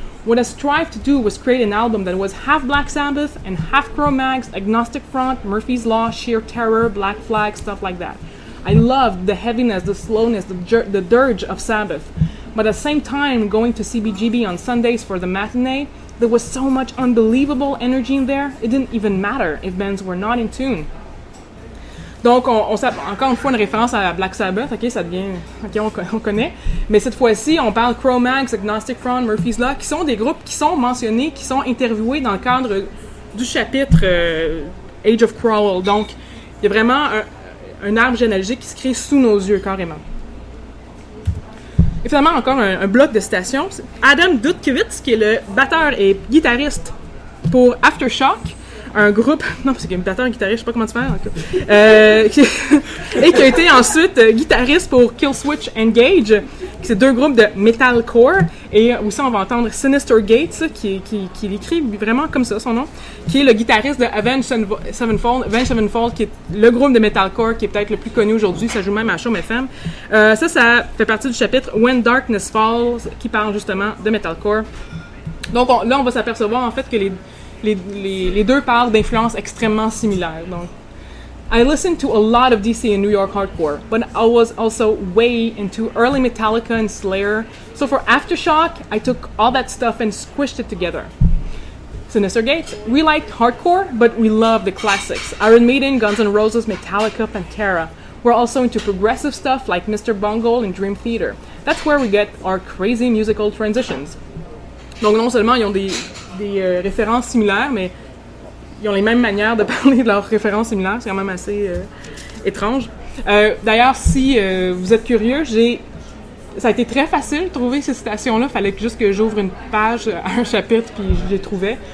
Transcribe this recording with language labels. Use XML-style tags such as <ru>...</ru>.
<en>What I strived to do was create an album that was half Black Sabbath and half Cro-Mags, Agnostic Front, Murphy's Law, Sheer Terror, Black Flag, stuff like that. I loved the heaviness, the slowness, the dirge of Sabbath. But at the same time, going to CBGB on Sundays for the matinee, there was so much unbelievable energy in there, it didn't even matter if bands were not in tune.</en> <fr>Donc, on encore une fois, une référence à Black Sabbath, ok, ça devient, ok, on connaît. Mais cette fois-ci, on parle Cro-Mags, Agnostic Front, Murphy's Law, qui sont des groupes qui sont mentionnés, qui sont interviewés dans le cadre du chapitre Age of Crawl. Donc, il y a vraiment un arbre généalogique qui se crée sous nos yeux, carrément. Et finalement, encore un bloc de citations. Adam Dutkiewicz, qui est le batteur et guitariste pour Aftershock, un groupe... Non, parce qu'il est batteur et guitariste, je sais pas comment tu fais. Et qui a été ensuite guitariste pour Killswitch Engage, qui c'est deux groupes de metalcore. Et aussi, on va entendre Sinister Gates, qui l'écrit vraiment comme ça, son nom, qui est le guitariste de Avenged Sevenfold, qui est le groupe de metalcore qui est peut-être le plus connu aujourd'hui. Ça joue même à Show FM. Ça fait partie du chapitre When Darkness Falls, qui parle justement de metalcore. Donc, on va s'apercevoir, en fait, que les deux parlent d'influences extrêmement similaires.</fr> <en>Donc, I listened to a lot of DC and New York hardcore, but I was also way into early Metallica and Slayer. So for Aftershock, I took all that stuff and squished it together. Sinister Gates, we liked hardcore, but we loved the classics. Iron Maiden, Guns N' Roses, Metallica, Pantera. We're also into progressive stuff like Mr. Bungle and Dream Theater. That's where we get our crazy musical transitions.</en> <fr>Donc non seulement ils ont des références similaires, mais ils ont les mêmes manières de parler de leurs références similaires. C'est quand même assez étrange. D'ailleurs, si vous êtes curieux, ça a été très facile de trouver ces citations-là. Il fallait juste que j'ouvre une page à un chapitre, puis je les trouvais.</fr>